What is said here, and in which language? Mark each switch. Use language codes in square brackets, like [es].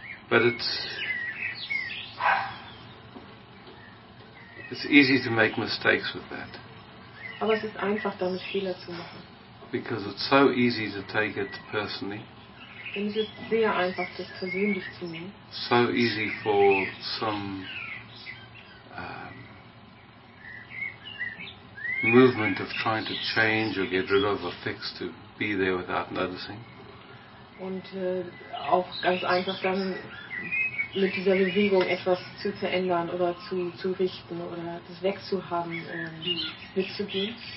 [en] But it's easy to make mistakes with that. [de] Aber es ist einfach, damit Fehler zu machen. [en] Because it's so easy to take it personally. [de] Denn es ist sehr einfach, das persönlich zu nehmen. [en] So easy for some movement of trying to change or get rid of or fix to be there without noticing. [de] Und auch ganz einfach dann mit dieser Bewegung etwas zu verändern oder zu richten oder das wegzuhaben, mitzugehen.